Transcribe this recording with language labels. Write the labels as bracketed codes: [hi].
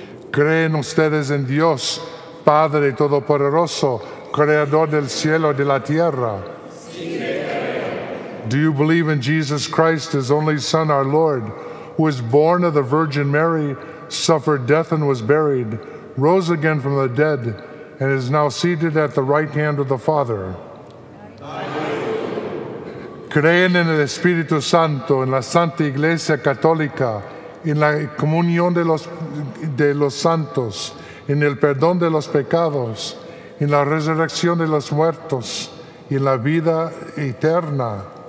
[es] Creen ustedes en Dios, Padre Todopoderoso, Creador del cielo y de la tierra. [en] Do you believe in Jesus Christ, his only Son, our Lord, who was born of the Virgin Mary, suffered death and was buried, rose again from the dead, and is now seated at the right hand of the Father? [es] Creen en el Espíritu Santo, en la Santa Iglesia Católica, en la comunión de los santos, en el perdón de los pecados, en la resurrección de los muertos, y en la vida eterna.